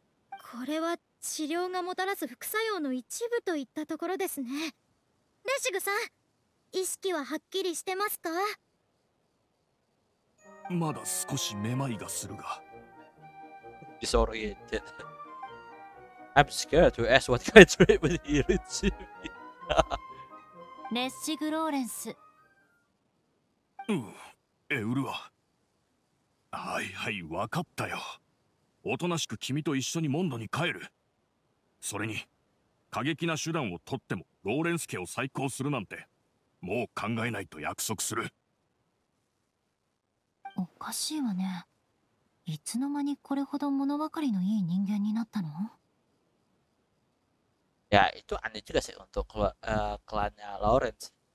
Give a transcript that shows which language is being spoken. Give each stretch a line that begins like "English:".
Japanese: これは治療がもたらす副作用の一部といったところですね。レシグさん、意識ははっきりしてますか？まだ少しめまいがするが。
English: Sorry, I'm scared to ask what kind of treatment he received.
Japanese: レッシグローレンス。エウルア。はいはい、わかったよ。おとなしく君と一緒にモンドに帰る。それに、過激な手段をとってもローレンス家を再興するなんて、もう考えないと約束する。おかしいわね。いつの間にこれほど物分かりのいい人間になったの？
Indonesian: Ya, itu aneh juga sih untuk klannya Lawrence.